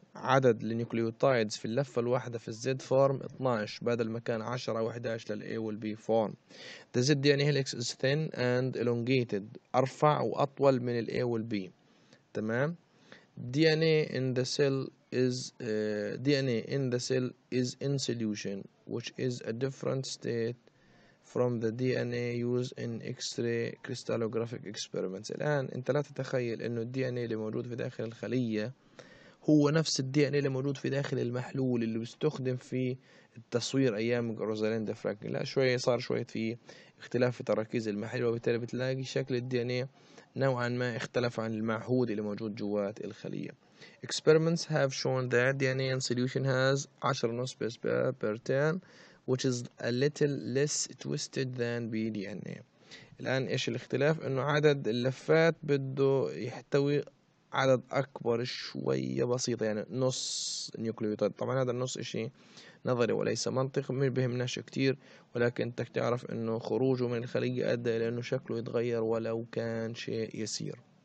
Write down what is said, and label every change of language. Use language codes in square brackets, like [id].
[ar] عدد النيوكليوتايدز في اللفة الواحدة في الزد فورم 12 بدل ما كان 10 أو 11 للأي والبي فورم. [en] The Z DNA helix is thin and elongated, [ar] أرفع وأطول من الأي والبي. [en] تمام, DNA in the cell is DNA in the cell is in solution which is a different state from the DNA used in X-ray crystallographic experiments. [ar] الآن أنت لا تتخيل أنه DNA اللي موجود في داخل الخلية هو نفس الدي ان اي اللي موجود في داخل المحلول اللي بيستخدم في التصوير ايام روزاليندا فرانكلين. لا, شويه صار شويه في اختلاف في تركيز المحلول, وبالتالي بتلاقي شكل الدي ان اي نوعا ما اختلف عن المعهود اللي موجود جوات الخليه. [en] Experiments have shown that DNA in solution has 10.5 base pair per 10 which is a little less twisted than BDNA. [ar] الان ايش الاختلاف؟ انه عدد اللفات بده يحتوي عدد اكبر شويه بسيطه, يعني نص نيوكليوتيد. طبعا هذا النص شيء نظري وليس منطق, ما بهمناش كثير, ولكن انت تعرف انه خروجه من الخليه ادى الى انه شكله يتغير ولو كان شيء يسير.